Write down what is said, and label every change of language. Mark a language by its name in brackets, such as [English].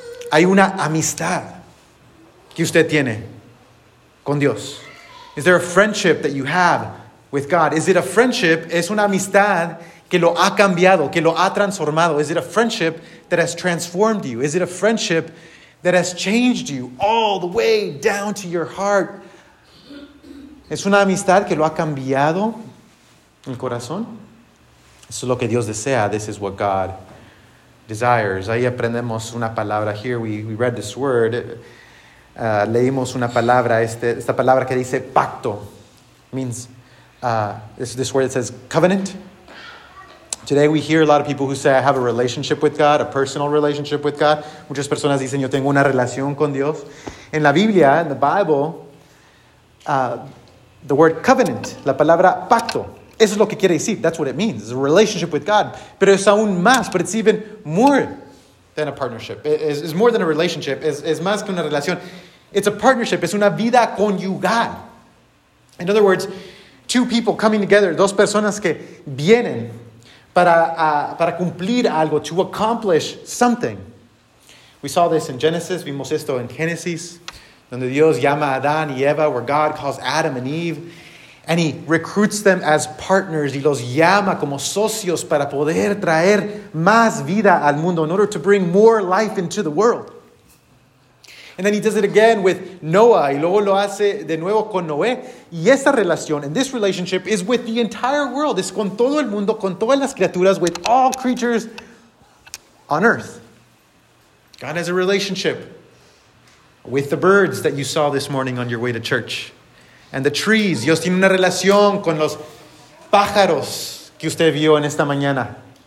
[Spanish] ¿Hay una amistad que usted tiene con Dios? [English] Is there a friendship that you have with God? Is it a friendship? [Spanish] ¿Es una amistad que lo ha cambiado, que lo ha transformado? [English] Is it a friendship that has transformed you? Is it a friendship that has changed you all the way down to your heart? [Spanish] ¿Es una amistad que lo ha cambiado el corazón? Eso es lo que Dios desea. [English] This is what God desires. [Spanish] Ahí aprendemos una palabra. [English] Here we read this word. [Spanish] Leímos una palabra, esta palabra que dice pacto. [English] Means, this word that says covenant. Today we hear a lot of people who say, I have a relationship with God, a personal relationship with God. [Spanish] Muchas personas dicen, yo tengo una relación con Dios. En la Biblia, [English] in the Bible, the word covenant, [Spanish] la palabra pacto, eso es lo que quiere decir. [English] That's what it means. It's a relationship with God. [Spanish] Pero es aún más, [English] but it's even more than a partnership. It's more than a relationship. [Spanish] Es más que una relación. [English] It's a partnership. [Spanish] Es una vida conyugal. [English] In other words, two people coming together, [Spanish] dos personas que vienen para cumplir algo, [English] to accomplish something. We saw this in Genesis. [Spanish] Vimos esto en Genesis, donde Dios llama a Adán y Eva, [English] where God calls Adam and Eve, and He recruits them as partners. [Spanish] Y los llama como socios para poder traer más vida al mundo, [English] in order to bring more life into the world. And then He does it again with Noah. [Spanish] Y luego lo hace de nuevo con Noé. Y esta relación, [English] and this relationship, is with the entire world. [Spanish] Es con todo el mundo, con todas las criaturas, [English] with all creatures on earth. God has a relationship with the birds that you saw this morning on your way to church. And the trees. [Spanish] Dios tiene una relación con los pájaros que usted vio en esta mañana.